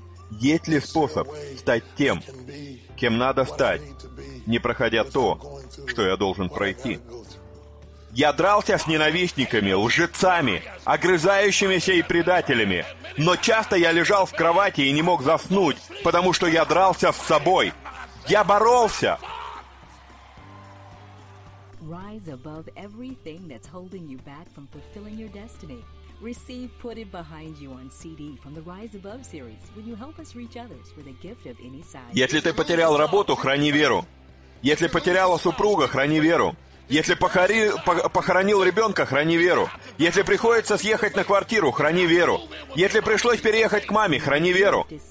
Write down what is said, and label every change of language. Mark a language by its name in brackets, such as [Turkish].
[Russian] Есть ли способ стать тем, кем надо стать, не проходя то, что я должен пройти? Я дрался с ненавистниками, лжецами, огрызающимися и предателями. Но часто я лежал в кровати и не мог заснуть, потому что я дрался с собой. Я боролся! [English] Rise above everything that's holding you back from fulfilling your destiny. Receive Put It Behind You on CD from the Rise Above series. Will you help us reach others with a gift of any size? [Russian] Если ты потерял работу, храни веру. Если потеряла супруга, храни веру. Если похоронил ребенка, храни веру. Если приходится съехать на квартиру, храни веру. Если пришлось переехать к маме, храни веру.